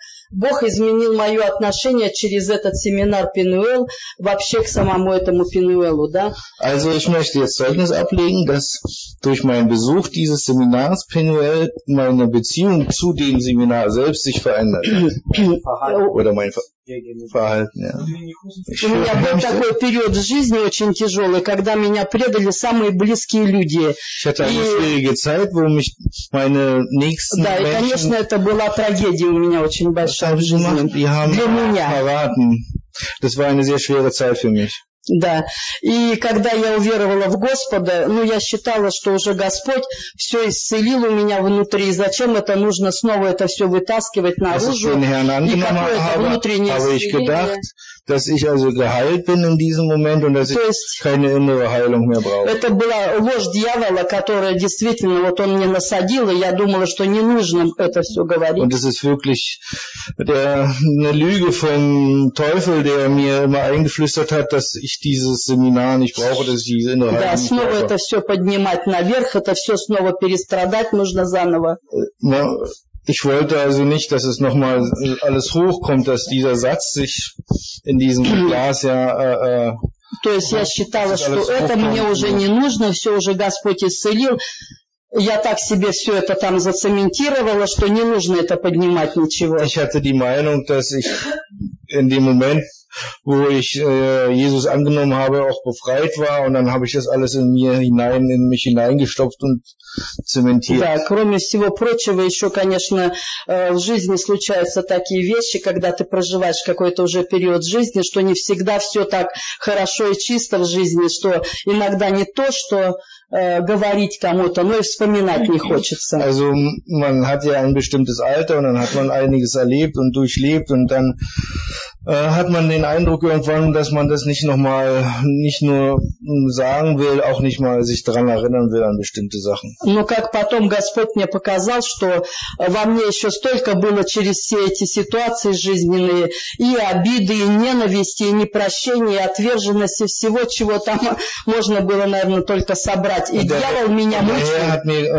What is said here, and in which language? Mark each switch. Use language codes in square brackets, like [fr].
[ru] Бог изменил мое отношение через этот семинар Пенуэл вообще к самому этому Пенуэлу, да? [de] Also ich möchte jetzt Zeugnis ablegen, dass durch meinen Besuch dieses Seminars Pinuel meine Beziehung zu dem Seminar selbst sich verändert oder mein Verhalten. Ja. [ru] У меня был такой период жизни очень тяжелый, когда меня предали самые близкие люди. [de] Ich hatte eine schwierige Zeit, wo mich meine nächsten Menschen. [ru] Да, и конечно, это была трагедия у меня очень большая. [de] Das war eine sehr schwere Zeit für mich. [ru] Да. И когда я уверовала в Господа, ну я считала, что уже Господь все исцелил у меня внутри. Зачем это нужно снова это все вытаскивать наружу? [de] Das ist den Herrn angenommen, aber ich gedacht, dass ich also geheilt bin in diesem Moment und dass ich keine innere Heilung mehr brauche. [ru] Это была ложь дьявола, которая действительно вот он мне насадил, и я думала, что не нужно это все говорить. [de] Und es ist wirklich eine Lüge vom Teufel, der mir immer eingeflüstert hat, dass ich dieses Seminar nicht brauche, dass ich diese innere Heilung brauche. [ru] Да, снова это все поднимать наверх, это все снова перестрадать нужно заново. [de] Ich wollte also nicht, dass es nochmal alles hochkommt, dass dieser Satz sich in diesem Glas ja [ru] То есть я считала, что это мне уже не нужно, все уже Господь исцелил. Я так себе все это там зацементировала, что не нужно это поднимать ничего. [de] Ich hatte die Meinung, dass ich in dem Moment, wo ich Jesus angenommen habe, auch befreit war, und dann habe ich das alles in mir hinein, in mich hineingestopft und zementiert. [ru] Да, кроме всего прочего, еще, конечно, в жизни случаются такие вещи, когда ты проживаешь какой-то уже период жизни, что не всегда все так хорошо и чисто в жизни, что иногда не то, что говорить кому-то, но и вспоминать не хочется. [de] Also, man hat ja ein bestimmtes Alter, und dann hat man einiges erlebt und durchlebt, und dann hat man den Eindruck irgendwann, dass man das nicht nochmal, nicht nur sagen will, auch nicht mal sich daran erinnern will an bestimmte Sachen. [ru] Но как потом Господь мне показал, что во мне еще столько было через все эти ситуации жизненные, и обиды, и ненависти, и непрощения, и отверженности, всего, чего там можно было, наверное, только собрать. И дьявол меня мучил.